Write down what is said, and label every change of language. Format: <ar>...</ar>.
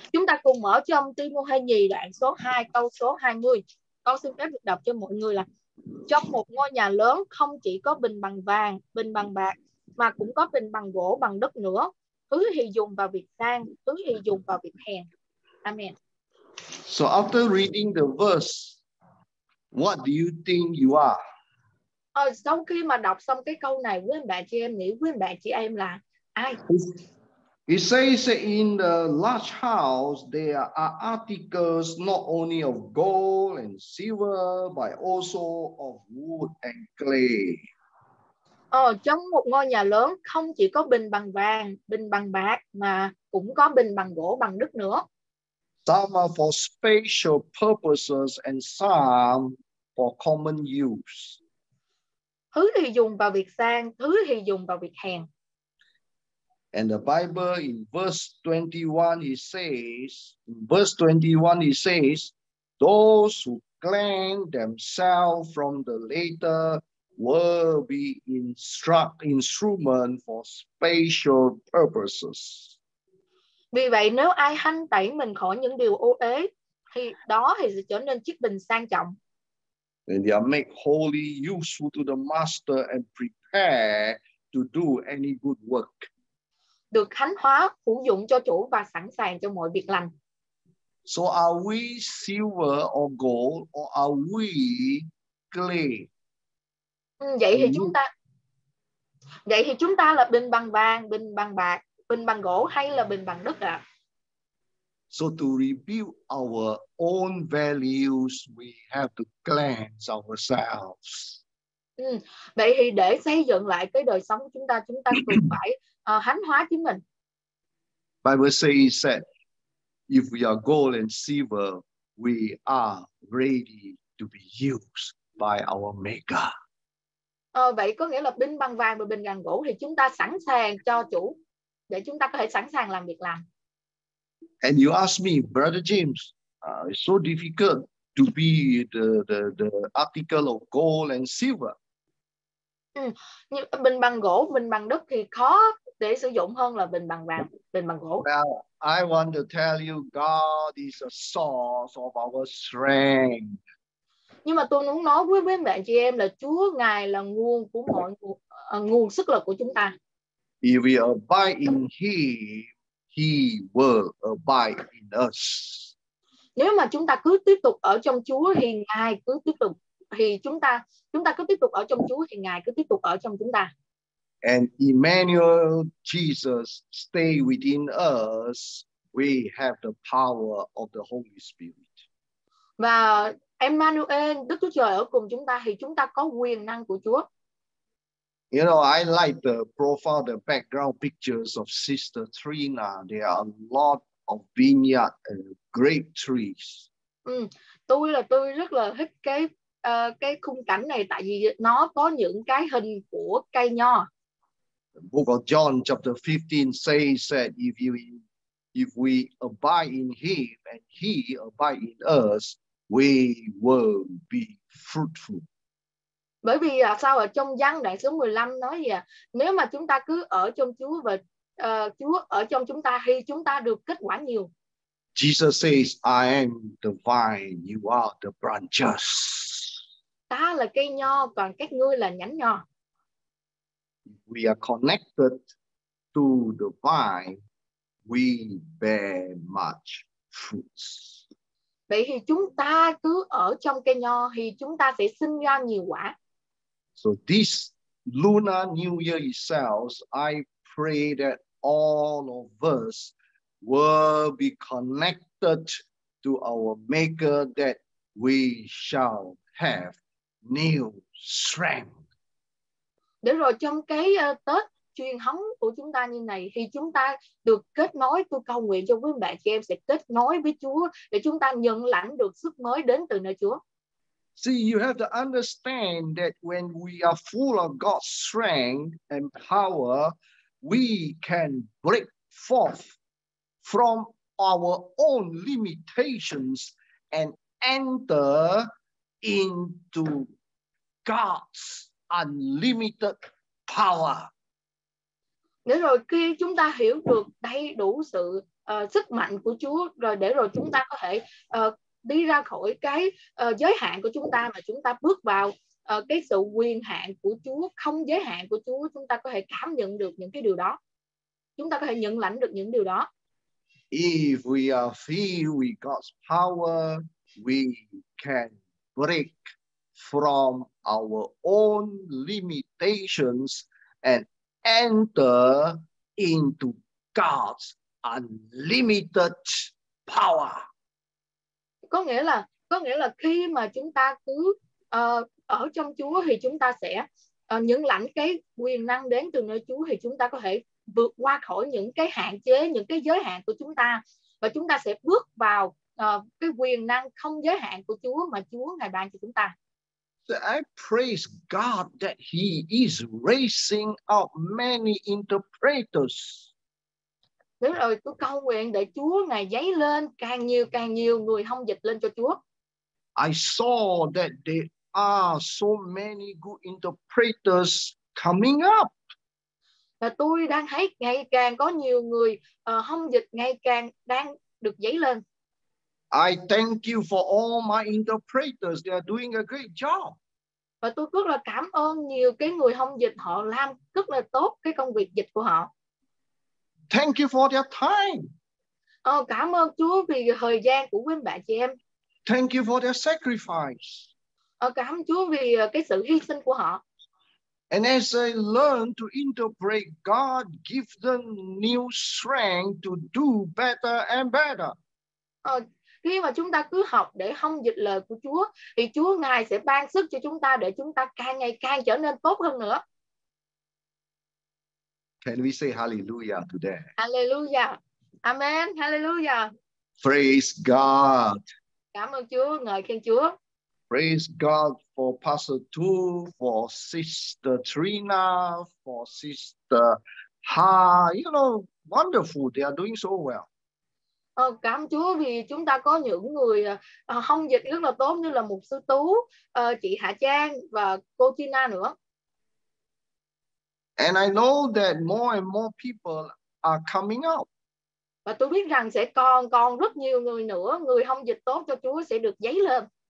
<vi>Chúng ta cùng mở trong Timothy nhì đoạn số 2 câu số 20. Con xin phép được đọc cho mọi người là: trong một ngôi nhà lớn không chỉ có bình bằng vàng, bình bằng bạc, mà cũng có bình bằng gỗ, bằng đất nữa. Thứ thì dùng vào việc sang, thứ thì dùng vào việc hèn. Amen.</vi> <en>So after reading the verse, what do you think you are?</en> <vi>Sau khi mà đọc xong cái câu này, quý anh bạn chị em nghĩ quý anh bạn chị em là ai?</vi> <en>It says that in the large house there are articles not only of gold and silver but also of wood and clay.</en> <vi>Trong một ngôi nhà lớn không chỉ có bình bằng vàng, bình bằng bạc mà cũng có bình bằng gỗ, bằng đất nữa.</vi> <en>Some are for special purposes and some for common use.</en> <vi>Thứ thì dùng vào việc sang, thứ thì dùng vào việc hèn.</vi> <en>And the Bible in verse 21, it says, in verse 21, it says, those who cleanse themselves from the latter will be instrument for special purposes.</en> <vi>Vì vậy nếu ai hanh tẩy mình khỏi những điều ô uế thì đó thì sẽ trở nên chiếc bình sang trọng.</vi> <en>And they are made wholly useful to the master and prepare to do any good work.</en> <vi>Được khánh hóa, phụ dụng cho chủ và sẵn sàng cho mọi việc lành.</vi> <en>So are we silver or gold or are we clay?</en> <vi>Vậy thì chúng ta là bình bằng vàng, bình bằng bạc, bình bằng gỗ hay là bình bằng đất ạ?</vi> <en>So to rebuild our own values, we have to cleanse ourselves.</en> <vi>Vậy thì để xây dựng lại cái đời sống chúng ta cần phải thánh hóa chính mình.</vi> <en>Bible says that if we are gold and silver, we are ready to be used by our maker.</en> <vi>Vậy có nghĩa là bình bằng vàng và bình bằng gỗ thì chúng ta sẵn sàng cho chủ để chúng ta có thể sẵn sàng làm việc làm.</vi> <en>And you ask me, Brother James, it's so difficult to be the article of gold and silver.</en> <vi>Bình bằng gỗ, bình bằng đất thì khó để sử dụng hơn là bình bằng vàng, bình bằng gỗ.</vi> <en>Well, I want to tell you, God is a source of our strength.</en> <vi>Nhưng mà tôi muốn nói với quý bạn chị em là Chúa Ngài là nguồn của mọi nguồn sức lực của chúng ta.</vi> <en>If we abide in Him, He will abide in us.</en> <vi>Nếu mà chúng ta cứ tiếp tục ở trong Chúa thì Ngài cứ tiếp tục thì chúng ta cứ tiếp tục ở trong Chúa thì Ngài cứ tiếp tục ở trong chúng ta.</vi> <en>And Emmanuel Jesus stay within us, we have the power of the Holy Spirit.</en> <vi>Và Emmanuel, Đức Chúa Trời ở cùng chúng ta thì chúng ta có quyền năng của Chúa.</vi> <en>You know, I like the profile, the background pictures of Sister Trina. There are a lot of vineyard and grape trees.</en> <vi>Tôi rất là thích cái khung cảnh này tại vì nó có những cái hình của cây nho.</vi> <en>The book of John chapter 15 says that if we abide in Him and He abide in us, we will be fruitful.</en> <vi>Bởi vì sao ở trong Giăng đoạn số 15 nói gì à? Nếu mà chúng ta cứ ở trong Chúa và Chúa ở trong chúng ta thì chúng ta được kết quả nhiều.</vi> <en>Jesus says, I am the vine, you are the branches.</en> <vi>Ta là cây nho, còn các ngươi là nhánh nho.</vi> <en>We are connected to the vine, we bear much fruits.</en> <vi>Vậy thì chúng ta cứ ở trong cây nho thì chúng ta sẽ sinh ra nhiều quả.</vi> <en>So this Lunar New Year itself, I pray that all of us will be connected to our Maker that we shall have new strength.</en> <vi>Để rồi trong cái Tết truyền thống của chúng ta như này thì chúng ta được kết nối, tôi cầu nguyện cho quý bạn chị em sẽ kết nối với Chúa để chúng ta nhận lãnh được sức mới đến từ nơi Chúa.</vi> <en>See, you have to understand that when we are full of God's strength and power, we can break forth from our own limitations and enter into God's unlimited power.</en> <vi>Để rồi khi chúng ta hiểu được đầy đủ sự sức mạnh của Chúa, rồi để rồi chúng ta có thể đi ra khỏi cái giới hạn của chúng ta mà chúng ta bước vào cái sự quyền hạn của Chúa, không giới hạn của Chúa, chúng ta có thể cảm nhận được những cái điều đó. Chúng ta có thể nhận lãnh được những điều đó.</vi> <en>If we are filled with God's power, we can break from our own limitations and enter into God's unlimited power.</en> <vi>Có nghĩa là khi mà chúng ta cứ ở trong Chúa thì chúng ta sẽ nhận lãnh cái quyền năng đến từ nơi Chúa thì chúng ta có thể vượt qua khỏi những cái hạn chế, những cái giới hạn của chúng ta và chúng ta sẽ bước vào cái quyền năng không giới hạn của Chúa mà Chúa Ngài ban cho chúng ta.</vi> <en>So I praise God that He is raising up many interpreters.</en> <vi>Đúng rồi, tôi cầu nguyện để Chúa Ngài dấy lên càng nhiều người thông dịch lên cho Chúa.</vi> <en>I saw that there are so many good interpreters coming up.</en> <vi>Và tôi đang thấy ngày càng có nhiều người thông dịch ngày càng đang được dấy lên.</vi> <en>I thank you for all my interpreters. They are doing a great job.</en> <vi>Và tôi rất là cảm ơn nhiều cái người thông dịch, họ làm rất là tốt cái công việc dịch của họ.</vi> <en>Thank you for their time.</en> <vi>Oh, cảm ơn Chúa vì thời gian của quý bạn chị em.</vi> <en>Thank you for their sacrifice.</en> <vi>Cảm ơn Chúa vì cái sự hy sinh của họ.</vi> <en>And as I learn to interpret, God gives them new strength to do better and better.</en> <vi>Khi mà chúng ta cứ học để thông dịch lời của Chúa, thì Chúa Ngài sẽ ban sức cho chúng ta để chúng ta càng ngày càng trở nên tốt hơn nữa.</vi> <en>Can we say hallelujah today? Hallelujah. Amen. Hallelujah. Praise God.</en> <vi>Cảm ơn Chúa. Ngợi khen Chúa.</vi> <en>Praise God for Pastor Tu, for Sister Trina, for Sister Ha. You know, wonderful. They are doing so well.</en> <vi>Cảm ơn Chúa vì chúng ta có những người hông dịch rất là tốt như là Mục Sư Tú, chị Hạ Trang và cô Trina nữa.</vi> <en>And I know that more and more people are coming out.</en> <vi>Và tôi biết rằng sẽ còn rất nhiều người nữa, người hông dịch tốt cho Chúa sẽ được dấy lên.</vi>